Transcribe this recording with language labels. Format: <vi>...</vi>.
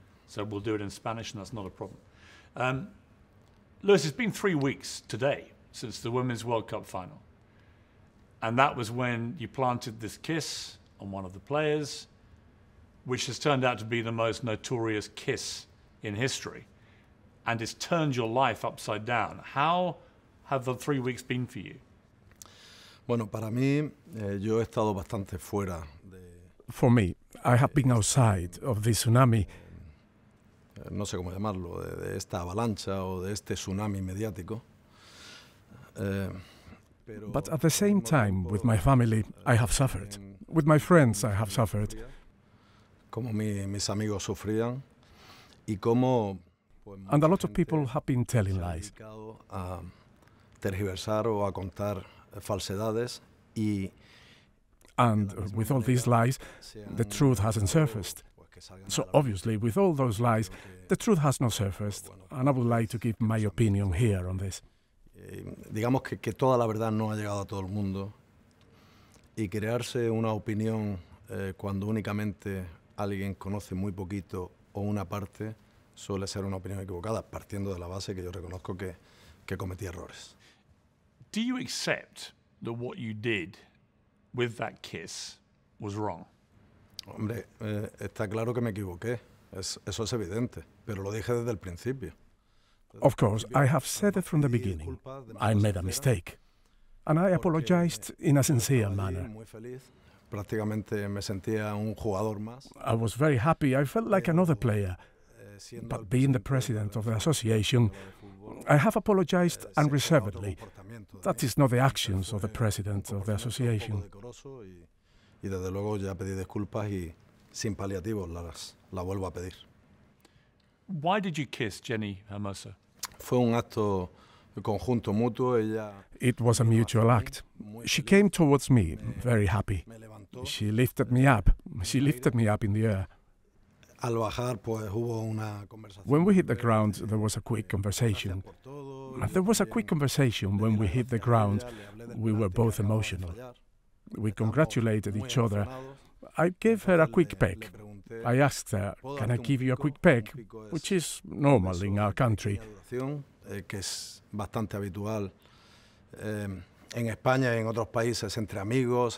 <en>So we'll do it in Spanish, and that's not a problem. Luis, it's been 3 weeks today since the Women's World Cup final. And that was when you planted this kiss on one of the players, which has turned out to be the most notorious kiss in history, and it's turned your life upside down. How have the 3 weeks been for you?</en> <es>Bueno, para mí, yo he estado bastante fuera de...</es> <en>For me, I have been outside of the tsunami.</en> <es>No sé cómo llamarlo, de esta avalancha o de este tsunami mediático.</es> <en>But at the same time, with my family, I have suffered. With my friends, I have suffered.</en> <es>Como mis amigos sufrían, y como,</es> <en>pues, and a lot of people have been telling lies.</en> <es>A tergiversar o a contar falsedades, y,</es> <en>and with all these lies, the truth hasn't surfaced. So obviously, with all those lies, the truth has not surfaced, and I would like to give my opinion here on this.</en> <es>Digamos que toda la verdad no ha llegado a todo el mundo, y crearse una opinión cuando únicamente alguien conoce muy poquito o una parte suele ser una opinión equivocada, partiendo de la base que yo reconozco que cometí errores.</es> <en>Do you accept that what you did with that kiss was wrong?</en> <es>Hombre, está claro que me equivoqué. Eso es evidente. Pero lo dije desde el principio.</es> <en>Of course, I have said it from the beginning. I made a mistake. And I apologized in a sincere manner.</en> <es>Prácticamente me sentía un jugador más.</es> <en>I was very happy. I felt like another player. But being the president of the association, I have apologized unreservedly. That is not the actions of the president of the association.</en> <es>Y desde luego ya pedí disculpas y sin paliativos la vuelvo a pedir.</es> <en>Why did you kiss Jenni Hermoso?</en> <es>Fue un acto conjunto mutuo. Ella.</es> <en>It was a mutual act. She came towards me, very happy. She lifted me up. She lifted me up in the air.</en> <es>Al bajar, pues, hubo una conversación.</es> <en>When we hit the ground, there was a quick conversation. There was a quick conversation when we hit the ground. We were both emotional. We congratulated each other. I gave her a quick peck. I asked her, can I give you a quick peck? Which is normal in our country.</en> <es>Que es bastante habitual en España y en otros países entre amigos.</es>